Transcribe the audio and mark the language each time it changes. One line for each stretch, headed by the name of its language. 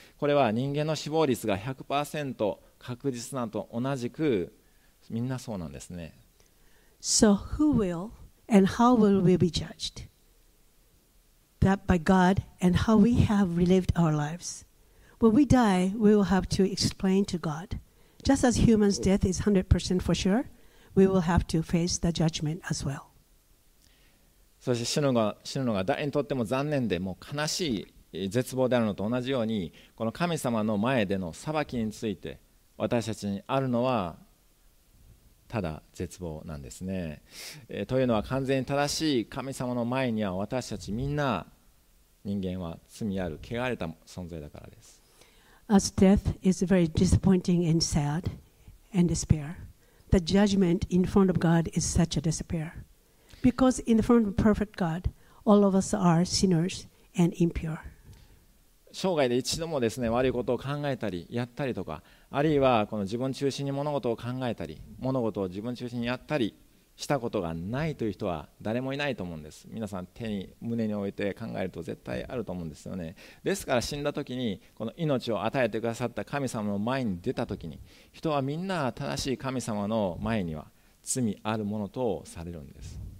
Japanese: これは人間の死亡率が 100% 確実なと同じく、みんなそうなんですね。
English: So who willAnd how will we be judged? That by God and how we have lived our lives. When we die, we will have to explain to God. Just as humans' death is 100% for sure, we will have to face the judgment as well.
Japanese: そして死ぬのが誰にとっても残念で、もう悲しい絶望であるのと同じように、この神様の前での裁きについて私たちにあるのは、ただ絶望なんですね。というのは、完全に正しい神様の前には私たちみんな、人間は罪ある汚れた存在だからです。
English: As death is very disappointing and sad and despair, the judgment in front of God is such a despair. Because in front of a perfect God, all of us are sinners and impure.
Japanese: 生涯で一度もですね、悪いことを考えたりやったりとか、あるいはこの自分中心に物事を考えたり、物事を自分中心にやったりしたことがないという人は誰もいないと思うんです。皆さん手に胸に置いて考えると絶対あると思うんですよね。ですから死んだ時にこの命を与えてくださった神様の前に出た時に、人はみんな正しい神様の前には罪あるものとされるんです。